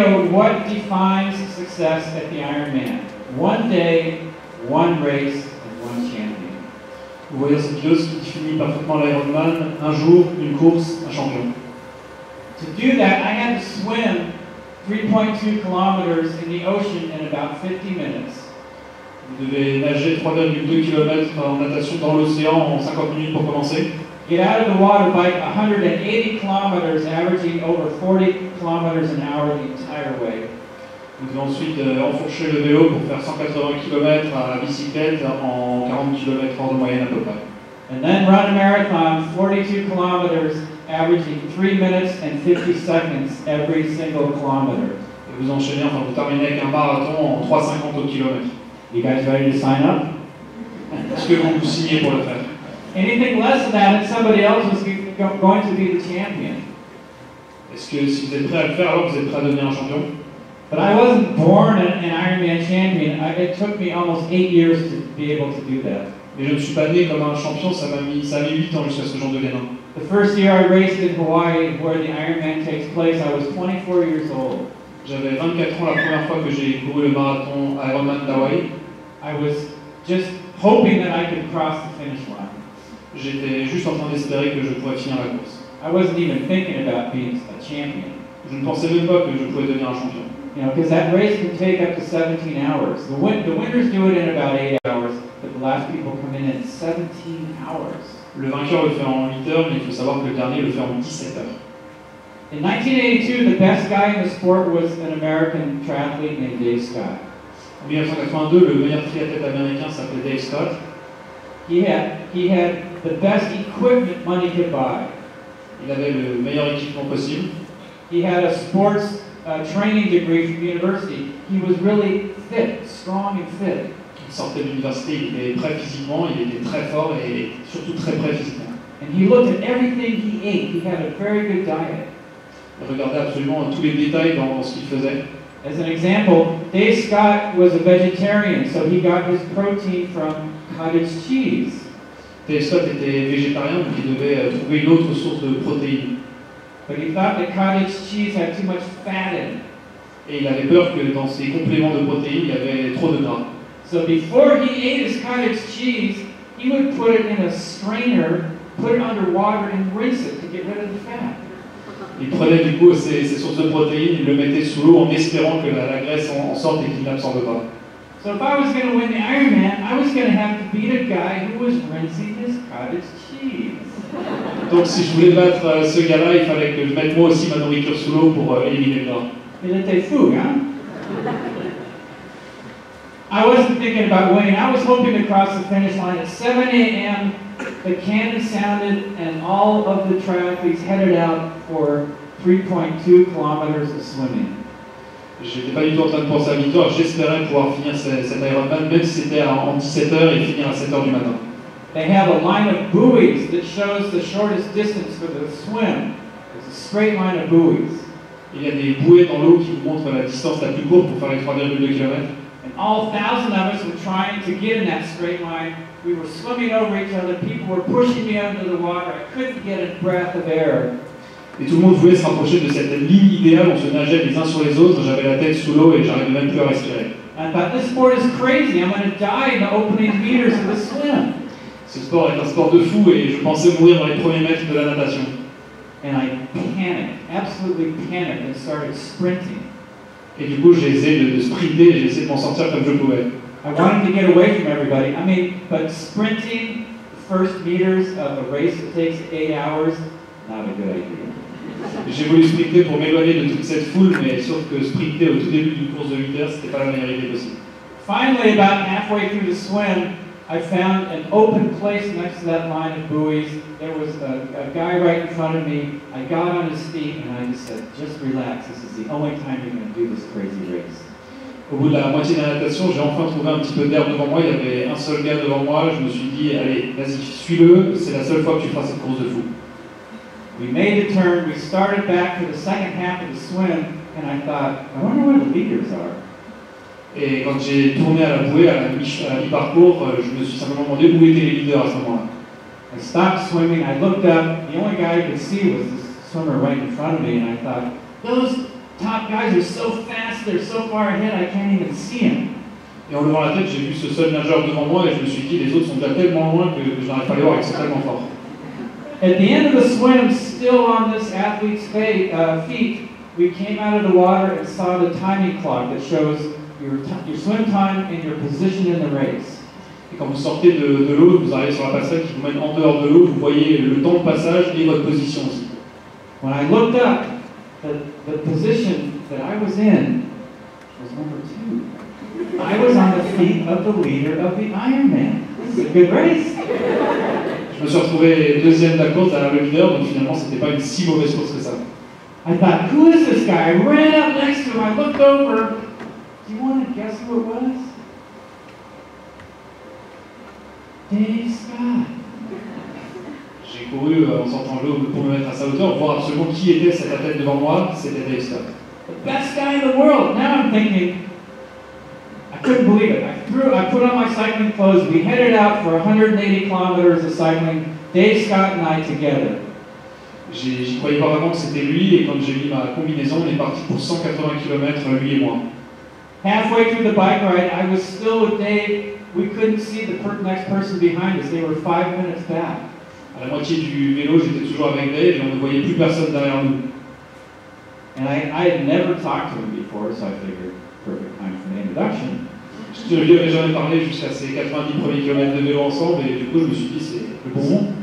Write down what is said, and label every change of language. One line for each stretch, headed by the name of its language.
English: What defines success at the Ironman? One day, one race, and one champion.
French: Vous voyez cette pilote qui finit parfaitement l'Ironman, un jour, une course, un champion.
English: To do that, I had to swim 3.2 kilometers in the ocean in about 50 minutes.
French: Vous devez nager 3,2 km en natation dans l'océan en 50 minutes pour commencer.
English: Get out of the water, bike 180 kilometers, averaging over 40 kilometers an hour the entire way.
French: Vous devez ensuite enfourcher le vélo pour faire 180 km à la bicyclette en 40 km en moyenne à peu près.
English: And then run a marathon 42 kilometers, averaging 3 minutes and 50 seconds every single kilometer.
French: Et vous enchaînez, enfin vous terminez avec un marathon en 3,50 km.
English: You guys ready to sign up?
French: Est-ce que vous signez pour le faire?
English: Anything less than that, somebody else is going to be the champion.
French: Est-ce que si vous êtes prêt à le faire, alors vous êtes prêt à devenir un champion?
English: But I wasn't born an Ironman champion. It took me almost 8 years to be able to do that.
French: Mais je ne suis pas né comme un champion. Ça m'a mis 8 ans jusqu'à ce que j'en devienne un.
English: The first year I raced in Hawaii, where the Ironman takes place, I was 24 years old.
French: J'avais 24 ans la première fois que j'ai couru le marathon Ironman d'Hawaï.
English: I was just hoping that I could cross the finish line.
French: J'étais juste en train d'espérer que je pourrais finir la course.
English: I wasn't even thinking about being a champion.
French: Je ne pensais même pas que je pouvais devenir un champion.
English: You know, because that race can take up to 17 hours. The winners do it in about 8 hours, but the last people come in 17 hours.
French: Le vainqueur le fait en 8 heures, mais il faut savoir que le dernier le fait en 17 heures.
English: In 1982, the best guy in the sport was an American triathlete named Dave Scott.
French: En 1982, le meilleur triathlète américain s'appelait Dave Scott.
English: He had the best equipment money could buy.
French: Il avait le meilleur équipement possible.
English: He had a sports training degree from university. He was really fit, strong and fit.
French: Il sortait de l'université, il était prêt physiquement, il était très fort et surtout très prêt physiquement.
English: And he looked at everything he ate. He had a very good diet.
French: Il regardait absolument tous les détails dans ce qu'il faisait.
English: As an example, Dave Scott was a vegetarian, so he got his protein from cottage cheese.
French: Dave Scott était végétarien, donc il devait trouver une autre source de protéines.
English: But he thought that cottage cheese had too much fat in it.
French: Et il avait peur que dans ses compléments de protéines, il y avait trop de gras.
English: So before he ate his cottage cheese, he would put it in a strainer, put it under water and rinse it to get rid of the fat.
French: Il prenait du coup ses sources de protéines, il le mettait sous l'eau en espérant que la graisse en sorte et qu'il n'absorbe pas. So if I was going to win the Ironman, I was going to have to beat a guy who was rinsing his cottage cheese. Donc si je voulais battre ce gars-là, il fallait que je mette moi aussi ma nourriture sous l'eau pour éliminer le gras. Il était fou, hein?
English: I wasn't thinking about winning. I was hoping to cross the finish line at 7 a.m. The cannon sounded and all of the triathletes headed out for 3.2 kilometers of swimming.
French: J'étais pas du tout en train de penser à victoire. J'espérais pouvoir finir cet Ironman, même si c'était en 17h et finir à 7h du matin.
English: They have a line of buoys that shows the shortest distance for the swim. It's a straight line of buoys.
French: Il y a des bouées dans l'eau qui vous montrent la distance la plus courte pour faire les 3,2 km.
English: And all 1,000 of us were trying to get in that straight line. We were swimming over each other. People were pushing me under the water. I couldn't get a breath of air.
French: Et tout le monde voulait se rapprocher de cette ligne idéale. On se nageait les uns sur les autres. J'avais la tête sous l'eau et j'arrivais même plus à respirer.
English: And I thought, this sport is crazy. I'm going to die in the opening meters of the swim.
French: Ce sport est un sport de fou et je pensais mourir dans les premiers mètres de la natation.
English: And I panicked, absolutely panicked, and started sprinting.
French: Et du coup, j'ai essayé de sprinter, j'ai essayé de m'en sortir comme je pouvais.
English: I wanted to get away from everybody. I mean, but sprinting the first meters of a race that takes 8 hours, not a good idea.
French: J'ai voulu sprinter pour m'éloigner de toute cette foule, mais sauf que sprinter au tout début d'une course de 8 heures, c'était pas la meilleure idée possible.
English: Finally, about halfway through the swim, I found an open place next to that line of buoys. There was a guy right in front of me. I got on his feet and I just said, just relax, this is the only time you're going to do this crazy race.
French: Au bout de la moitié de la natation, j'ai enfin trouvé un petit peu d'air devant moi. Il y avait un seul gars devant moi. Je me suis dit, allez, vas-y, suis-le. C'est la seule fois que tu feras cette course de fou.
English: We made the turn. We started back for the second half of the swim. And I thought, I wonder where the leaders are.
French: Et quand j'ai tourné à la bouée, à la mi-parcours, je me suis simplement demandé où étaient les leaders à ce moment-là.
English: I stopped swimming, I looked up, the only guy I could see was the swimmer right in front of me, and I thought, those top guys are so fast, they're so far ahead, I can't even see them.
French: Et en levant la tête, j'ai vu ce seul nageur devant moi et je me suis dit, les autres sont déjà tellement loin que je n'arrive pas à les voir, ils sont tellement forts.
English: At the end of the swim, still on this athlete's feet, we came out of the water and saw the timing clock that shows your swim time and your position in the race.
French: Et quand vous sortez de l'eau, vous arrivez sur la passerelle qui vous mène en dehors de l'eau, vous voyez le temps de passage et votre position aussi.
English: When I looked up, the position that I was in was number two. I was on the feet of the leader of the Ironman. It's a good race.
French: Je me suis retrouvé deuxième de la course derrière le leader, donc finalement c'était pas une si mauvaise course que ça.
English: I thought, who is this guy? I ran up next to him, I looked over. Do you want to guess who it was? Dave Scott.
French: J'ai couru en sortant de l'eau pour me mettre à sa hauteur, voir absolument qui était cet athlète devant moi, c'était Dave Scott.
English: The best guy in the world. Now I'm thinking, I couldn't believe it. I put on my cycling clothes, we headed out for 180 kilometers of cycling, Dave Scott and I together.
French: J'y croyais pas vraiment que c'était lui, et quand j'ai mis ma combinaison, on est parti pour 180 km, lui et moi.
English: Halfway through the bike ride, I was still with Dave. We couldn't see the next person behind us. They were 5 minutes back.
French: À la moitié du vélo, j'étais toujours avec Dave, et on ne voyait plus personne derrière nous.
English: And I had never talked to him before, so I figured, perfect time for an introduction.
French: Je lui avais jamais parlé jusqu'à ces 90 premiers kilomètres de vélo ensemble, et du coup, je me suis dit, c'est le bon moment.